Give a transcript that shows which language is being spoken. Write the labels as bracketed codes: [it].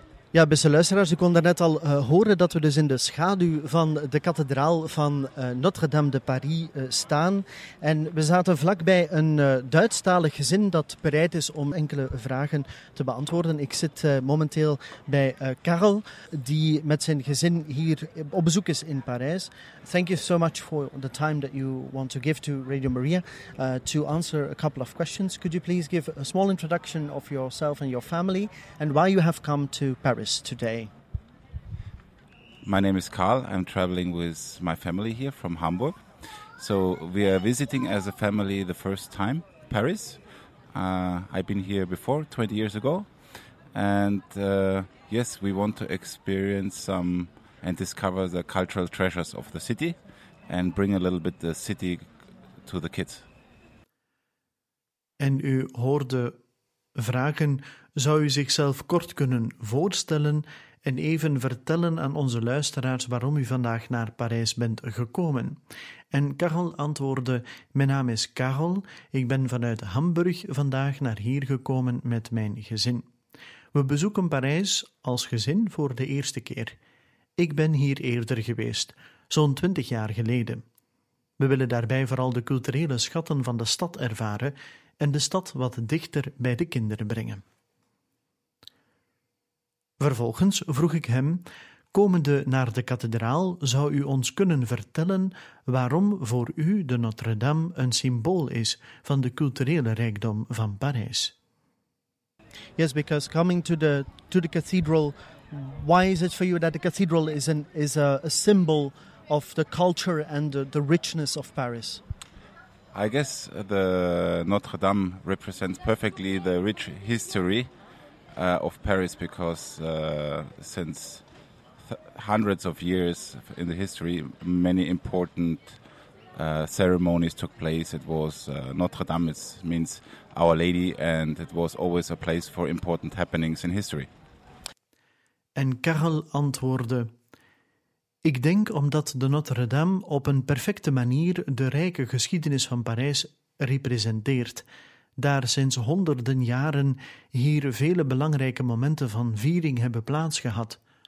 [nl] Ja, beste luisteraars, u kon daarnet al horen dat we dus in de schaduw van de kathedraal van Notre-Dame de Paris staan. En we zaten vlakbij een Duitstalig gezin dat bereid is om enkele vragen te beantwoorden. Ik zit momenteel bij Karel, die met zijn gezin hier op bezoek is in Parijs. [en] Thank you so much for the time that you want to give to Radio Maria to answer a couple of questions. Could you please give a small introduction of yourself and your family and why you have come to Paris today? My name is Karl. I'm traveling with my family here from Hamburg. So we are visiting as a family the first time Paris. I've been here before 20 years ago, and yes, we want to experience some and discover the cultural treasures of the city and bring a little bit the city to the kids. [nl] En u hoorde vragen. Zou u zichzelf kort kunnen voorstellen en even vertellen aan onze luisteraars waarom u vandaag naar Parijs bent gekomen? En Karel antwoordde, mijn naam is Karel, ik ben vanuit Hamburg vandaag naar hier gekomen met mijn gezin. We bezoeken Parijs als gezin voor de eerste keer. Ik ben hier eerder geweest, zo'n 20 jaar geleden. We willen daarbij vooral de culturele schatten van de stad ervaren en de stad wat dichter bij de kinderen brengen. Vervolgens vroeg ik hem, komende naar de kathedraal, zou u ons kunnen vertellen waarom voor u de Notre-Dame een symbool is van de culturele rijkdom van Parijs? [en] Yes, because coming to the cathedral, why is it for you that the cathedral is a symbol of the culture and the richness of Paris? I guess the Notre-Dame represents perfectly the rich history of Paris, because since hundreds of years in the history, many important ceremonies took place. It was Notre Dame, it means Our Lady, and it was always a place for important happenings in history. [nl] En Karel antwoordde, ik denk omdat de Notre Dame op een perfecte manier de rijke geschiedenis van Parijs representeert. Daar sinds honderden jaren hier vele belangrijke momenten van viering hebben plaatsgehad.